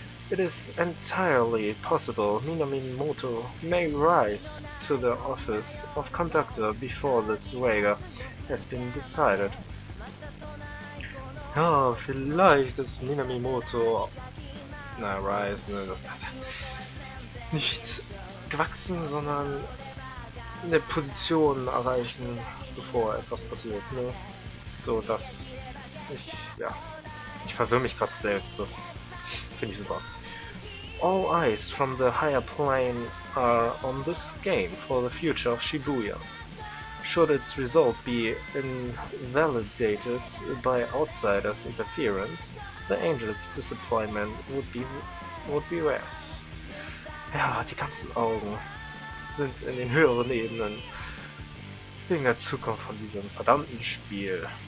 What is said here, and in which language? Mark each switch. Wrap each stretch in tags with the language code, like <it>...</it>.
<en>It is entirely possible Minamimoto may rise to the office of conductor before this wager has been decided.</en> <de>Oh, vielleicht ist Minamimoto. Na, rise, ne, das hat er nicht gewachsen, sondern eine Position erreichen, bevor etwas passiert, ne? So, dass ich, ja, ich verwirre mich gerade selbst, das finde ich super.</de> <en>All eyes from the higher plane are on this game for the future of Shibuya. Should its result be invalidated by outsiders' interference, the angel's disappointment would be worse.</en> <de>Ja, die ganzen Augen sind in den höheren Ebenen wegen der Zukunft von diesem verdammten Spiel.</de>